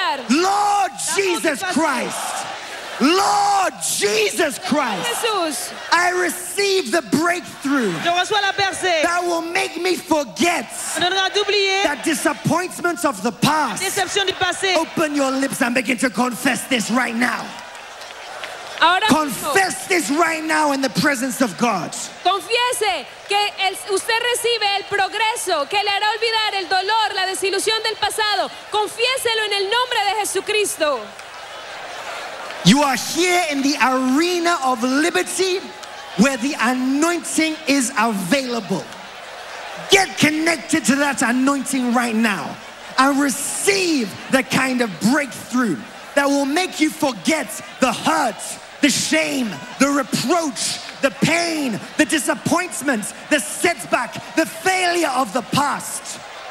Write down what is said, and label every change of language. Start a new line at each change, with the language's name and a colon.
English: Lord Jesus Christ. Lord Jesus Christ, I receive the breakthrough that will make me forget that disappointments of the past. Open your lips and begin to confess this right now. Confess this right now in the presence of God.
Spanish: Confiese que usted recibe el progreso que le hará olvidar el dolor, la desilusión del pasado. Confiéselo en el nombre de Jesucristo.
English: You are here in the arena of liberty where the anointing is available. Get connected to that anointing right now and receive the kind of breakthrough that will make you forget the hurt, the shame, the reproach, the pain, the disappointment, the setback, the failure of the past.